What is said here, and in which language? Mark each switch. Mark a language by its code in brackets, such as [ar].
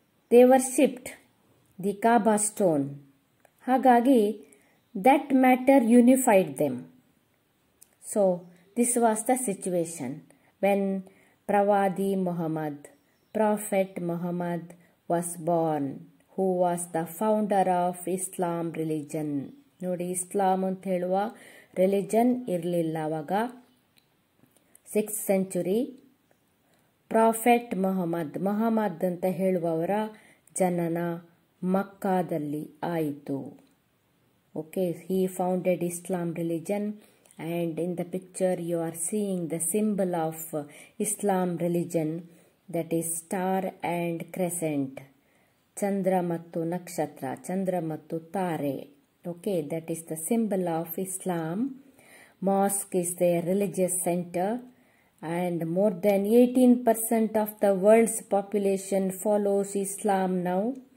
[en] They worshipped the Kaaba stone. Hagagi, that matter unified them. So, this was the situation when Pravadi Muhammad, Prophet Muhammad was born, who was the founder of Islam religion. [kn] ನೋಡಿ, ಇಸ್ಲಾಂ ಅಂತ ಹೇಳುವ religion ಇರಲಿಲ್ಲ ಅವಾಗ. 6th century, prophet Mohammed, Mohammed ಅಂತ ಹೇಳುವವರ ಜನನ ಮಕ್ಕಾದಲ್ಲಿ ಆಯಿತು. [en] Okay, he founded Islam religion. And in the picture you are seeing the symbol of Islam religion, that is star and crescent, [kn] chandra mattu nakshatra, chandra mattu tare. [en] Okay, that is the symbol of Islam. Mosque is their religious center, and more than 18% of the world's population follows Islam now.